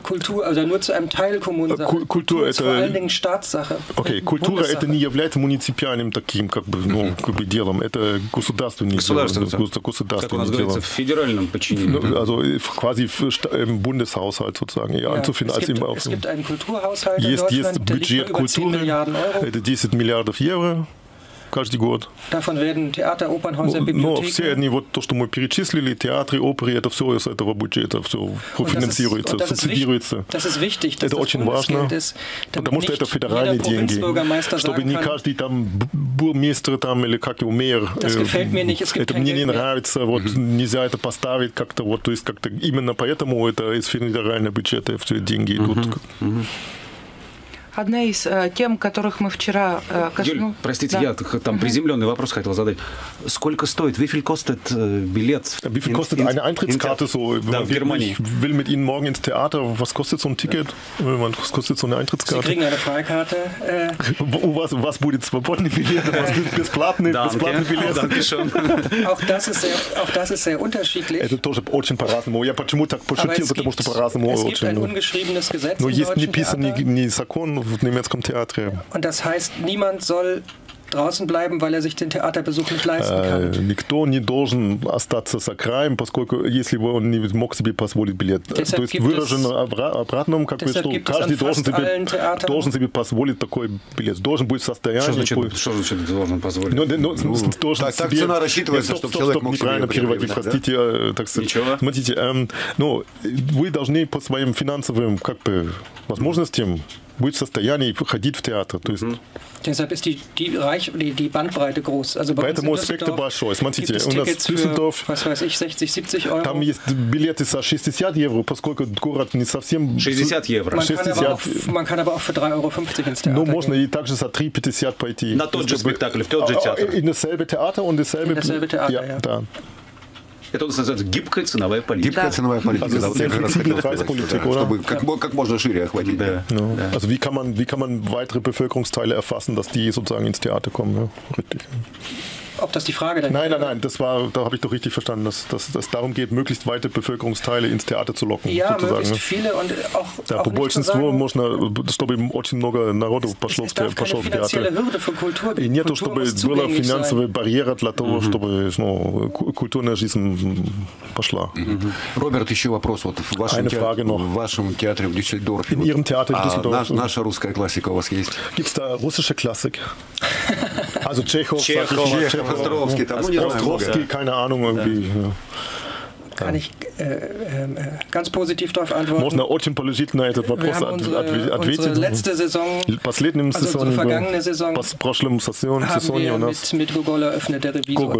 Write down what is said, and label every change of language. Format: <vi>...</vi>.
<de>Kultur, also nur zu einem Teil Kommunensache. Kultur ist vor allen Dingen Staatssache.</de> <ru>Okay,</ru> <de>Kultur ist nicht</de> <ru>является муниципальным таким, как бы, ну, как бы делом. Это государственное дело. Государственное дело. Как у нас говорится, в федеральном подчинении.</ru> <de>Also quasi im Bundeshaushalt sozusagen. Ja, anzufinden als im Aufwand. Es gibt einen Kulturhaushalt in Deutschland, der liegt bei über 10 Milliarden Euro. 10 Milliarden Euro.</de> <ru>Каждый год.</ru> <de>Davon werden Theater, Opernhäuser, Bibliotheken.</de> <ru>Но все они, вот то, что мы перечислили, театры, оперы, это все из этого бюджета, все профинансируется, субсидируется. Это очень важно, потому что это федеральные деньги, чтобы не каждый там бурмистр там или как его мэр, это мне не нравится, вот нельзя это поставить как-то, вот то есть как-то именно поэтому это из федерального бюджета все деньги идут. Одна из тем, которых мы вчера коснулись. Юль, простите, да. Я там приземленный вопрос хотел задать. Сколько стоит?</ru> <de>Wie viel kostet билет? Wie viel kostet eine Eintrittskarte so?</de> <ru>Да, в Германии.</ru> <de>Ich will mit Ihnen morgen ins Theater. Was kostet so ein Ticket? Was kostet so eine Eintrittskarte? Sie kriegen eine Freikarte.</de> <ru>Was будет свободный билет? Was будет бесплатный? Бесплатный билет.</ru> <de>Danke schön. Auch das ist sehr unterschiedlich.</de> <ru>Это тоже очень по-разному. Я почему так пошутил? Потому что по-разному очень.</ru> <de>Es gibt ein ungeschriebenes Gesetz im deutschen Theater.</de> <ru>Но есть неписанный закон. В немецком театре.</ru> <de>Und das heißt, niemand soll draußen bleiben, weil er sich den Theaterbesuch nicht leisten kann.</de> <ru>Никто не должен остаться за краем, поскольку если бы он не мог себе позволить билет.</ru> <de>Deshalb</de> <ru>то есть выражено обратно, как бы, что каждый должен себе позволить такой билет. Должен быть в состоянии... Что значит должен позволить? Так цена рассчитывается, чтобы человек мог себе неправильно переводить, простите. Да? Так, ничего. Смотрите, вы должны по своим финансовым как бы возможностям будет в состоянии выходить в театр. То есть...</ru> <de>Deshalb ist die Bandbreite groß. Also</de> <ru>bei поэтому спектр большой. Смотрите, у нас в Дюссельдорфе... 60-70 евро. Там есть билеты за 60 евро, поскольку город не совсем... 60 евро.</ru> <de>Man kann aber auch für 3,50 € ins Theater.</de> <ru>Но можно и также за 3,50 пойти. На тот же спектакль, в тот же театр. И на selbe театр, он и selbe...</ru> <de>In dasselbe театр, ja.</de> <ru>Да. Это у нас называется гибкая ценовая политика. Гибкая ценовая политика. Да, чтобы как можно шире охватить. Да. Ну, да.</ru> <de>Also wie kann man weitere Bevölkerungsteile erfassen, dass die sozusagen ins Theater kommen? Ja? Richtig. Ob das die Frage dann? Nein, da habe ich doch richtig verstanden, dass darum geht, möglichst weite Bevölkerungsteile ins Theater zu locken. Ja, sozusagen. Möglichst viele und auch.</de> <ru>Да, по большинству можно, чтобы очень много народу пошло в театр.</ru> <de>Es darf keine finanzielle Hürde für Kultur geben.</de> <ru>Нету, чтобы была финансовая барьера для того, чтобы культурная жизнь пошла. Роберт, еще вопрос вот в вашем театре в Дюссельдорфе.</ru> <de>In Ihrem Theater in Düsseldorf.</de> <ru>Наша русская классика у вас есть?</ru> <de>Gibt's da russische Klassik? Also</de> <ru>Чехов. Островский,</ru> <de>keine Ahnung, irgendwie. Kann ich ganz positiv darauf antworten.</de> <ru>Можно очень положительно этот вопрос ответить.</ru> <de>Unsere letzte Saison,</de> <ru>последнюю сезон, у нас</ru> <de>mit Gogol eröffnet, der Revisor</de>